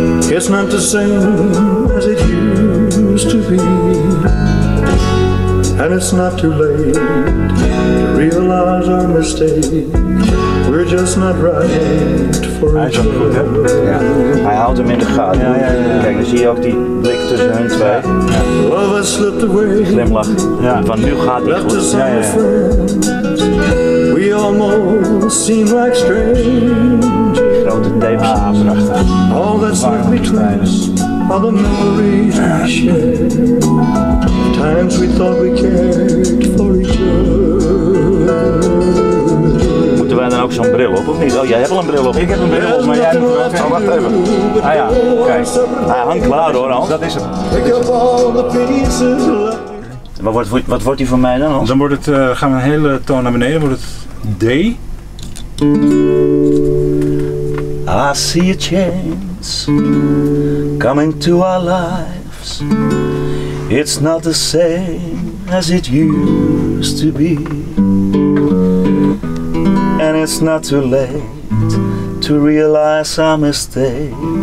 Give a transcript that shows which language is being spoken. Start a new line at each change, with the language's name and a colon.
English: It's not the same as it used to be. And it's not too late to realize our mistake. We're just not right for each other.
Dutch: Ja. Hij houdt hem in de gaten. Ja, ja, ja. Kijk, dan zie je ook die blik tussen hun twee. Ja.
English: Love has slipped away.
Dutch: Glimlach. Ja. Van nu gaat het goed. Ja, ja, ja.
English: Almost seem like strangers.
Dutch: Grote tapes. Ah, prachtig.
English: All that's left between us are the memories we share. Times we thought we cared for each other.
Dutch: Moeten wij dan ook zo'n bril op, of niet? Oh, jij hebt al een bril op. Ik heb een bril op, maar jij moet ook. Oh, wacht even. Ah ja, kijk. Hij hangt klaar hoor, Hans. Dat is hem.
English: Pick up all the pieces.
Dutch: Wat wordt die van mij dan? Dan wordt het, gaan we een hele toon naar beneden, wordt het D.
English: I see a change coming to our lives. It's not the same as it used to be. And it's not too late to realize our mistake.